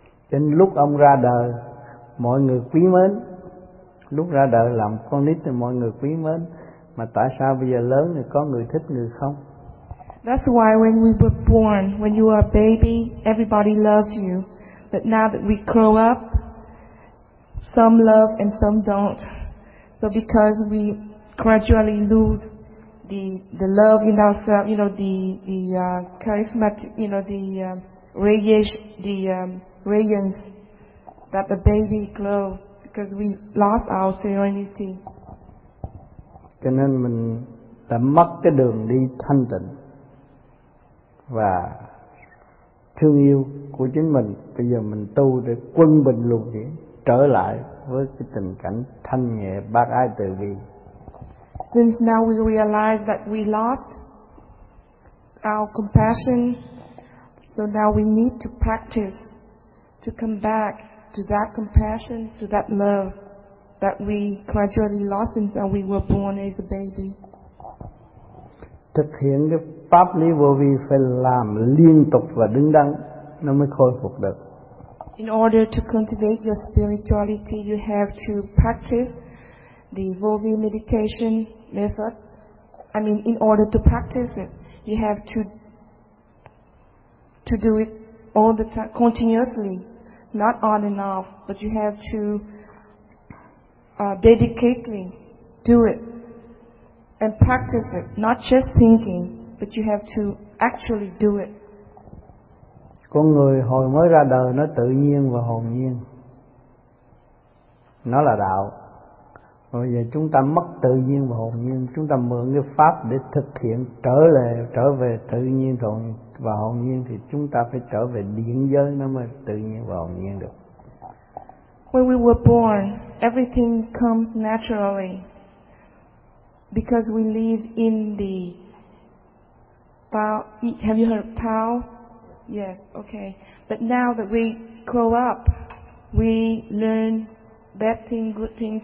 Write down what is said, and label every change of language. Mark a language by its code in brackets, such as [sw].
[vi] Đến lúc ông ra đời, mọi người quý mến. Lúc ra đời làm con nít thì mọi người quý mến, mà tại sao bây giờ lớn thì có người thích người không? [en] That's why when we were born, when you were a baby, everybody loved you. But now that we grow up, some love and some don't. So because we gradually lose the love in ourselves, you know, the radiance that the baby glows, because we lost our serenity. [vi] Cho nên mình đã mất cái đường đi thanh tịnh và thương yêu của chính mình. Bây giờ mình tu để quân bình luân chuyển, trở lại với cái tình cảnh thanh nhẹ bác ái từ bi. [en] Since now we realize that we lost our compassion, so now we need to practice to come back to that compassion, to that love that we gradually lost since that we were born as a baby. [vi] Thực hiện cái pháp lý vô vi phải làm liên tục và đứng đắn nó mới khôi phục được. [en] In order to cultivate your spirituality, you have to practice the vô vi meditation method. I mean, in order to practice it, you have to do it all the time, continuously, not on and off, but you have to dedicatedly do it and practice it, not just thinking, but you have to actually do it. [vi] Con người hồi mới ra đời nó tự nhiên và hồn nhiên, nó là đạo. Bây giờ chúng ta mất tự nhiên và hồn nhiên, chúng ta mượn cái pháp để thực hiện trở về tự nhiên và hồn nhiên, thì chúng ta phải trở về điển giới nó mới tự nhiên và hồn nhiên được. [en] When we were born, everything comes naturally because we live in the Tao. Have you heard of Tao? Yes, okay. But now that we grow up, we learn bad things, good things.